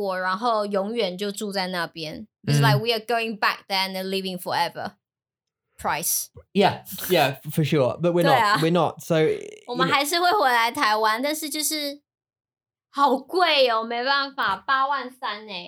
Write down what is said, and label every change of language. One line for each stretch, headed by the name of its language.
Chinese: 这个价钱很像是我们要去英国,然后永远就住在那边.
English: It's like we are going back there and they're living forever. Price. Yeah, yeah, for sure. But we're
Chinese: 对啊.
English: not, we're not. So,
Chinese: 我们还是会回来台湾,但是就是 好贵哦, 没办法, 八万三耶。